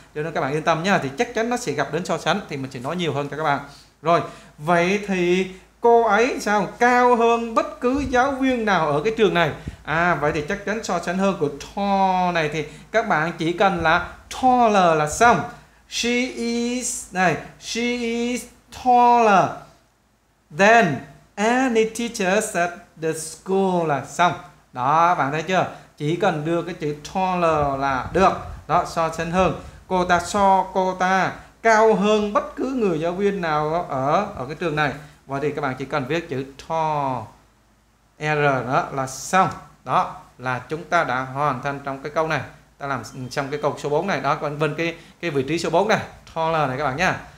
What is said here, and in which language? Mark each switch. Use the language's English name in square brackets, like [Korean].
[Vietnamese] Cho nên các bạn yên tâm nha, thì chắc chắn nó sẽ gặp đến so sánh thì mình sẽ nói nhiều hơn cho các bạn. Rồi, vậy thì cô ấy sao cao hơn bất cứ giáo viên nào ở cái trường này? À, vậy thì chắc chắn so sánh hơn của tall này thì các bạn chỉ cần là taller là xong. [English] She is [Vietnamese] này, [English] she is taller than any teachers at the school [Vietnamese] là xong. Đó, bạn thấy chưa? Chỉ cần đưa cái chữ taller là được. Đó, so sánh hơn. Cô ta cao hơn bất cứ người giáo viên nào ở cái trường này. Và thì các bạn chỉ cần viết chữ tall r đó là xong. Đó là chúng ta đã hoàn thành trong cái câu này. Ta làm xong cái câu số 4 này. Đó, còn bên cái vị trí số 4 này, taller này các bạn nha.